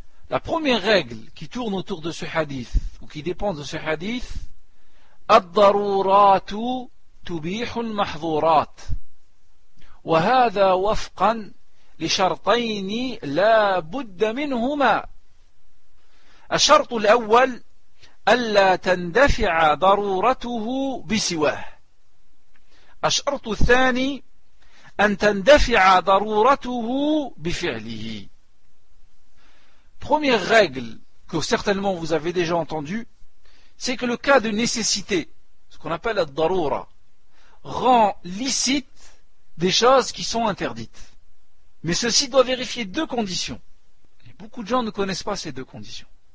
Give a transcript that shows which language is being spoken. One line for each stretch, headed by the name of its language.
French: La première règle qui tourne autour de ce hadith, ou qui dépend de ce hadith,
Arabic: الضروراتُ تُبِيحُ الْمَحْظُورَاتُ وَهَذَا وَفْقًا لِشَرْطَيْنِ لَا بُدَّ مِنْهُمَا. الشرط الأول ألا تندفع ضرورته بسواه. الشرط الثاني أن تندفع ضرورته بفعله.
French: Première règle que certainement vous avez déjà entendu, c'est que le cas de nécessité, ce qu'on appelle la daroura, rend licite des choses qui sont interdites. Mais ceci doit vérifier deux conditions. Et beaucoup de gens ne connaissent pas ces deux conditions.